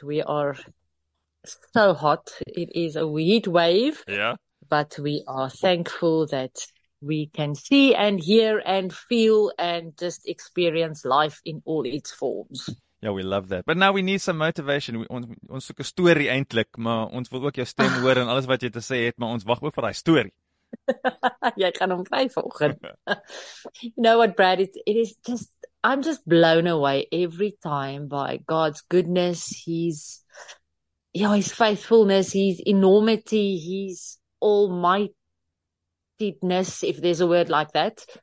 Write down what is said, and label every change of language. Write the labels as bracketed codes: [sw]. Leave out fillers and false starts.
[en] We are so hot. It is a heat wave. Yeah. But we are thankful that we can see and hear and feel and just experience life in all its forms. Ja, we love that. But now we need some motivation. [af] Ons soek 'n storie eintlik, maar ons wil ook jou stem hoor en alles wat jy te sê het, maar ons wag ook vir daai storie. Jy gaan hom kry vanoggend. [en] You know what, Brad? It is just, I'm just blown away every time by God's goodness, his faithfulness, his enormity, his almightiness, if there's a word like that.